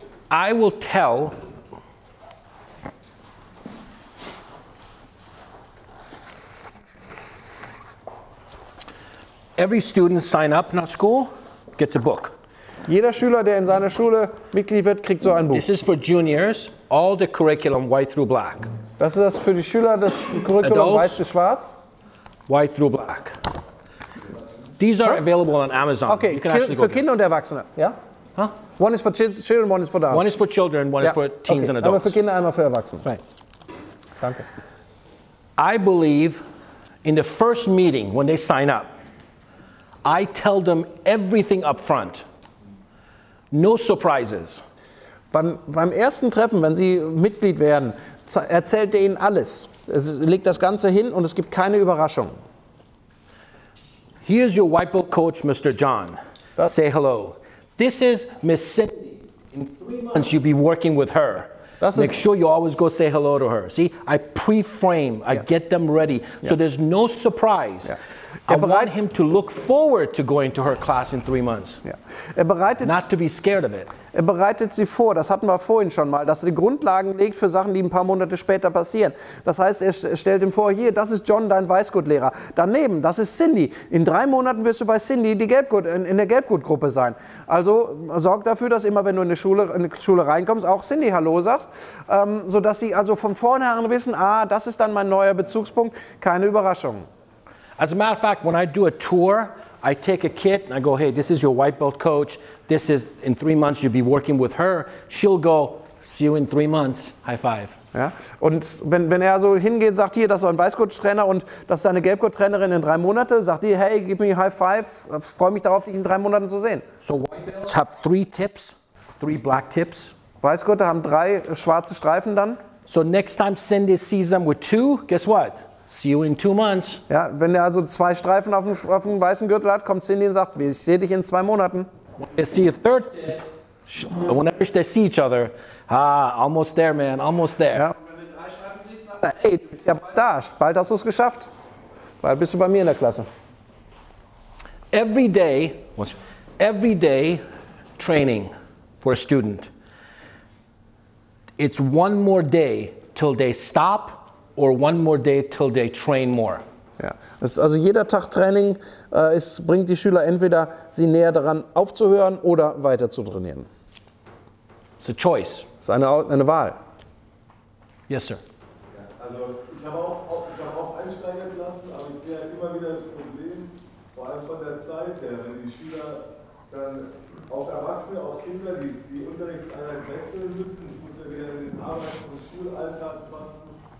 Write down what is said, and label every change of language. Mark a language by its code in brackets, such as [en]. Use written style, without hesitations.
[en] I will tell every student sign up in our school gets a book. [de] Jeder Schüler, der in seiner Schule Mitglied wird, kriegt so ein Buch. [en] This is for juniors, all the curriculum white through black. [de] Das ist das für die Schüler, das Curriculum [en] adults, [de] weiß bis schwarz. [en] White through black. These are available on Amazon. Okay, you can actually go for [de] Kinder und Erwachsene, ja? Huh? [en] One is for children, one is for adults. One is for children, one is for teens and adults. [de] Aber für Kinder, einmal für Erwachsene. [en] Right. [de] Danke. [en] I believe in the first meeting when they sign up, I tell them everything up front. No surprises. [de] Beim ersten Treffen, wenn sie Mitglied werden, erzählt er ihnen alles. Er legt das Ganze hin und es gibt keine Überraschung. [en] Here is your white belt coach, Mr. John. Das. Say hello. This is Miss Cindy. In 3 months, you'll be working with her. [de] Das [en] Make sure you always go say hello to her. See, I pre-frame, I get them ready. Yeah. So there's no surprise. Yeah. I want him to look forward to going to her class in 3 months. Yeah. [de] Bereitet, [en] not to be scared of it. [de] Er bereitet sie vor, das hatten wir vorhin schon mal, dass er die Grundlagen legt für Sachen, die ein paar Monate später passieren. Das heißt, er stellt ihm vor, hier, das ist John, dein Weißgurtlehrer. Daneben, das ist Cindy. In 3 Monaten wirst du bei Cindy in der Gelbgurtgruppe sein. Also sorg dafür, dass immer, wenn du in eine Schule reinkommst, auch Cindy Hallo sagst, sodass sie also von vornherein wissen, ah, das ist dann mein neuer Bezugspunkt, keine Überraschung. [en] As a matter of fact, when I do a tour, I take a kid and I go, hey, this is your white belt coach. This is, in 3 months, you'll be working with her. She'll go, see you in 3 months. High five. [de] Ja, und wenn er so hingeht, sagt hier, das ist ein Weißgurt-Trainer und das ist eine Gelbgurt-Trainerin in 3 Monaten, sagt die, hey, [en] give me a high five. [de] Freue mich darauf, dich in 3 Monaten zu sehen. [en] So white belts have 3 tips, 3 black tips. [de] Weißgurte haben 3 schwarze Streifen dann. [en] So next time Cindy sees them with 2, guess what? See you in 2 months. [de] Ja, wenn er also 2 Streifen auf dem weißen Gürtel hat, kommt Cindy und sagt, ich sehe dich in 2 Monaten. [en] When they see a third tip, whenever they see each other, ah, almost there, man, almost there. [de] Ja. Hey, du bist ja da, bald hast du es geschafft. Bald bist du bei mir in der Klasse. [en] Every day training for a student, it's one more day till they stop or one more day till they train more. [de] Ja. Also jeder Tag Training bringt die Schüler entweder sie näher daran aufzuhören oder weiter zu trainieren. [en] It's a choice. [de] Es ist eine Wahl. [en] Yes, sir. [de] Also ich habe auch einsteigen lassen, aber ich sehe immer wieder das Problem, vor allem von der Zeit her, wenn die Schüler dann auch Erwachsene, auch Kinder, die Unterrichtseinheit wechseln müssen, muss ja wieder in den Arbeits- und Schulalltag passen.